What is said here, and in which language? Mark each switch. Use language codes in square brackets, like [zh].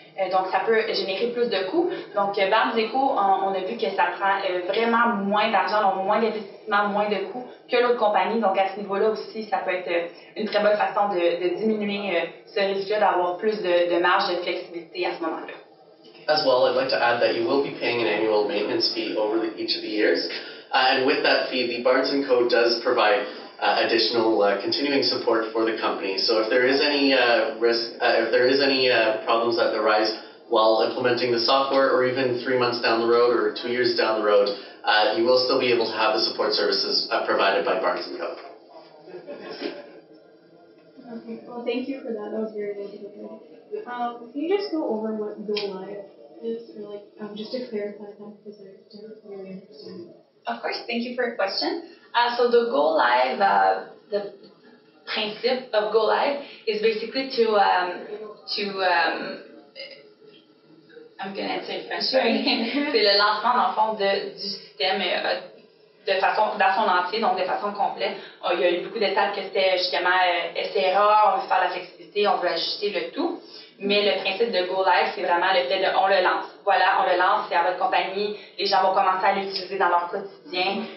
[fr] Donc, ça peut générer plus de coûts. Donc, Barnes & Co., on a vu que ça prend vraiment moins d'argent, donc moins d'investissement, moins de coûts que l'autre compagnie. Donc, à ce niveau-là aussi, ça peut être une très bonne façon de diminuer ce risque-là, d'avoir plus de marge de flexibilité à ce moment-là. [en] As well, I'd like to add that you will be paying an annual maintenance fee over each of the years. And with that fee, the Barnes & Co. does provide additional continuing support for the company. So if there is any risk, if there is any problems that arise while implementing the software, or even 3 months down the road or 2 years down the road, you will still be able to have the support services provided by Barnes & Co. Okay, well, thank you for that. That was very good. Can you just go over what Go Live is, or just to clarify that, because I don't really understand. Of course, thank you for your question. So the Go Live, the principle of Go Live is basically I'm going to answer in French, sorry. [fr] C'est le lancement, dans le fond, du système dans son entier, donc de façon complète. Il y a eu beaucoup d'étapes que c'était justement essai-erreur, on veut faire la flexibilité, on veut ajuster le tout. Mais le principe de Go Live, c'est vraiment le fait de « on le lance ». Voilà, on le lance, c'est à votre compagnie, les gens vont commencer à l'utiliser dans leur quotidien.